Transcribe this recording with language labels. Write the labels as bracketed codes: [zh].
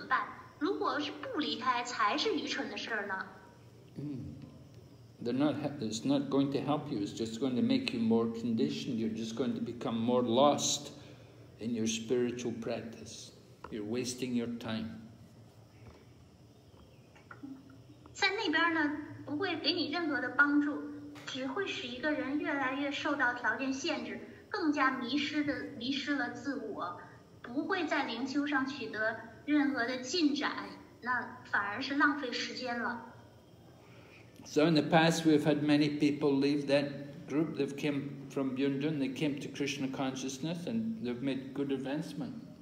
[zh] 他们在担心如果自己离开会怎么办，如果是不离开才是愚蠢的事呢。 [en] It's not going to help you, it's just going to make you more conditioned, you're just going to become more lost in your spiritual practice. You're wasting your time. [zh] 在那边呢，不会给你任何的帮助，只会使一个人越来越受到条件限制，更加迷失了自我。 [en] So in the past we've had many people leave that group. They've came from Yuandun, they came to Krishna consciousness, and they've made good advancement.